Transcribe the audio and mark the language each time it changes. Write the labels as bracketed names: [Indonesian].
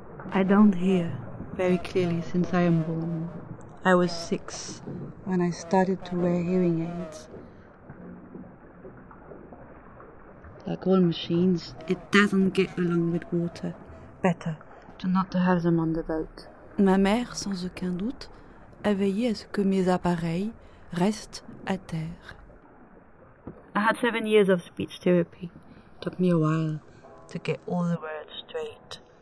[English] I don't hear very clearly since I am born. I was 6 when I started to wear hearing aids. Like all machines, it doesn't get along with water. Better to not to have them on the boat. [French] Ma mère, sans aucun doute, a veillé à ce que mes appareils restent à terre. [English] I had 7 years of speech therapy. It took me a while to get all the words straight.